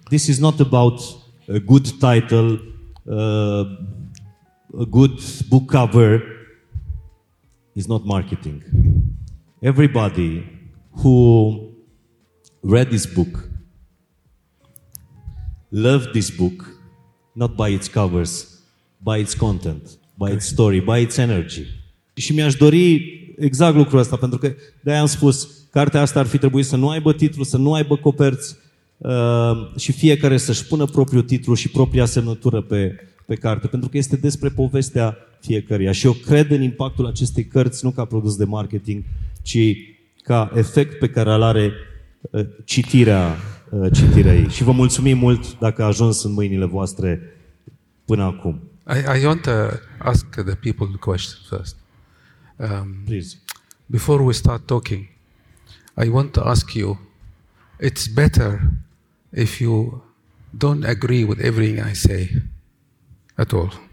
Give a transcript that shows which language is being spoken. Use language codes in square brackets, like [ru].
[en] This is not about a good title, a good book cover. It's not marketing. Everybody who read this book love this book, not by its covers, by its content, by its story, by its energy. [ro] Și mi-aș dori exact lucrul ăsta, pentru că de-aia am spus, cartea asta ar fi trebuit să nu aibă titlu, să nu aibă coperți, și fiecare să-și pună propriul titlu și propria semnătură pe carte, pentru că este despre povestea fiecăruia. Și eu cred în impactul acestei cărți, nu ca produs de marketing, ci ca efect pe care îl are citirea ei. Și vă mulțumim mult dacă a ajuns în mâinile voastre până acum. [en] I want to ask the people the question first. Please. Before we start talking, I want to ask you, it's better if you don't agree with everything I say at all.